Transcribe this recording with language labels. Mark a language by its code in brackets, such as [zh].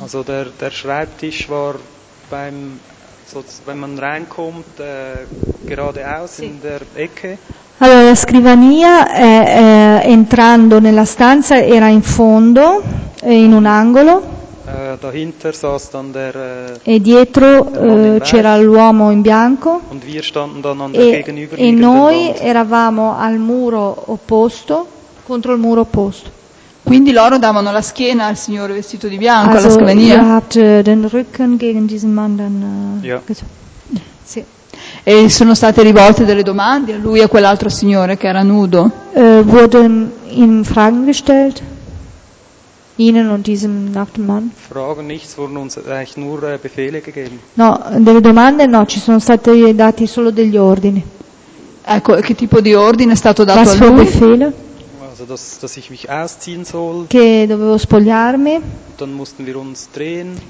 [de] Also der Schreibtisch war beim, so, wenn man reinkommt, geradeaus sì. In der Ecke. [it] Allora, la scrivania, entrando nella stanza, era in fondo, in un angolo. [de] Dahinter saß dann der, [it] e dietro c'era l'uomo in bianco. [de] Und wir standen dann an der gegenüberliegenden Wand. [it] E noi eravamo al muro opposto, contro il muro opposto. Quindi loro davano la schiena al signore vestito di bianco, alla scrivania. [de] Also, hat den Rücken gegen diesen Mann dann, ja. [it] Sì. E sono state rivolte delle domande a lui e a quell'altro signore che era nudo? [de] Wurden ihm Fragen gestellt? ihnen und diesem nackten Mann? Fragen nichts, wurden uns eigentlich nur Befehle gegeben. [it] No, delle domande no, ci sono stati dati solo degli ordini. Ecco, che tipo di ordine è stato dato a lui? [de] Befehle? Also, dass ich mich ausziehen soll. [it] Che dovevo spogliarmi. [de] Dann mussten wir uns drehen.